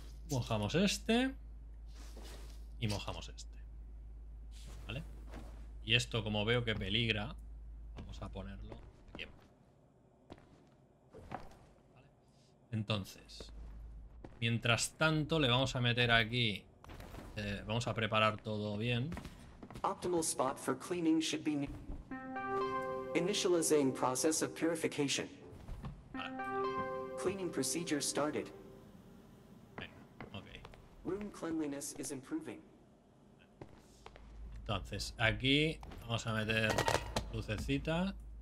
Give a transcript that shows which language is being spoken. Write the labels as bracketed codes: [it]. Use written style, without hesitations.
[es] Mojamos este y mojamos este, ¿vale? Y esto, como veo que peligra, vamos a ponerlo aquí. ¿Vale? Entonces, mientras tanto, le vamos a meter aquí, vamos a preparar todo bien. [en] Optimal spot for cleaning should be initializing process of purification. Cleaning procedure started. Okay. Room cleanliness is improving. [es] Entonces, aquí vamos a meter lucecita.